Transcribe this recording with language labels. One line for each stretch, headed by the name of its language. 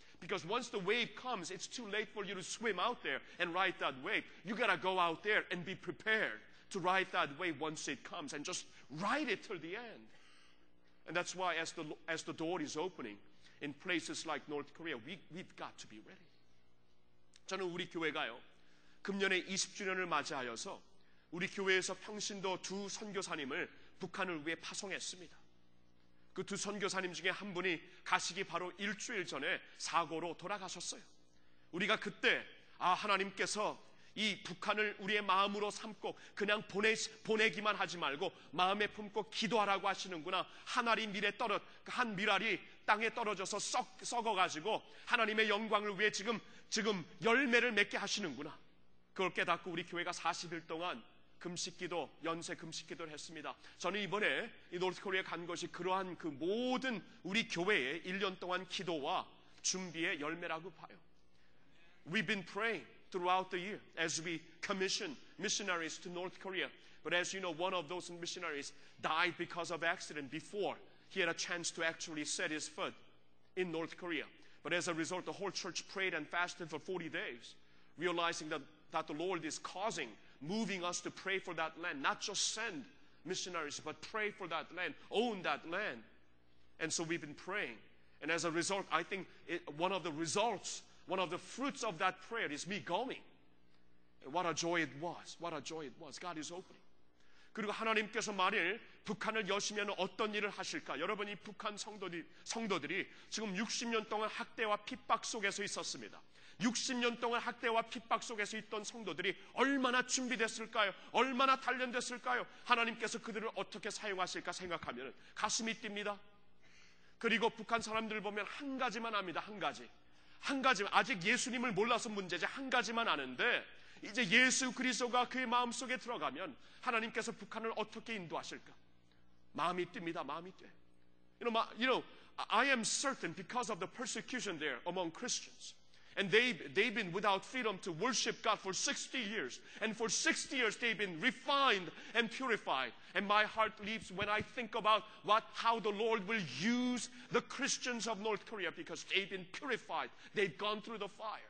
English: Because once the wave comes, it's too late for you to swim out there and ride that wave. You got to go out there and be prepared to ride that wave once it comes and just ride it till the end. And that's why as the door is opening in places like North Korea, we've got to be ready.
Korean: 저는 우리 교회가요, 금년에 20주년을 맞이하여서 우리 교회에서 평신도 두 선교사님을 북한을 위해 파송했습니다. 그 두 선교사님 중에 한 분이 가시기 바로 일주일 전에 사고로 돌아가셨어요. 우리가 그때 아 하나님께서 이 북한을 우리의 마음으로 삼고 그냥 보내기만 하지 말고 마음에 품고 기도하라고 하시는구나. 한 미랄이 땅에 떨어져서 썩어가지고 하나님의 영광을 위해 지금 열매를 맺게 하시는구나. 그걸 깨닫고 우리 교회가 40일 동안 금식기도, 연쇄 금식기도를 했습니다. 저는 이번에 이 노스코리에 간 것이 그러한 그 모든 우리 교회의 1년 동안 기도와 준비의 열매라고 봐요.
English: We've been praying throughout the year as we commission missionaries to North Korea. But as you know, one of those missionaries died because of accident before he had a chance to actually set his foot in North Korea. But as a result, the whole church prayed and fasted for 40 days, realizing that the Lord is causing, moving us to pray for that land, not just send missionaries, but pray for that land, own that land. And so we've been praying. And as a result, I think one of the fruits of that prayer is me going. What a joy it was. What a joy it was. God is opening.
Korean: 그리고 하나님께서 만일 북한을 여시면 어떤 일을 하실까? 여러분, 이 북한 성도들이 지금 60년 동안 학대와 핍박 속에서 있었습니다. 60년 동안 학대와 핍박 속에서 있던 성도들이 얼마나 준비됐을까요? 얼마나 단련됐을까요? 하나님께서 그들을 어떻게 사용하실까 생각하면 가슴이 뜁니다. 그리고 북한 사람들 보면 한 가지만 압니다. 한 가지만 아직 예수님을 몰라서 문제지 한 가지만 아는데 이제 예수 그리스도가 그의 마음속에 들어가면 하나님께서 북한을 어떻게 인도하실까? 마음이 뜁니다. 마음이 뜨.
English: You know, I am certain because of the persecution there among Christians. And they've been without freedom to worship God for 60 years. And for 60 years they've been refined and purified. And my heart leaps when I think about how the Lord will use the Christians of North Korea because they've been purified. They've gone through the fire.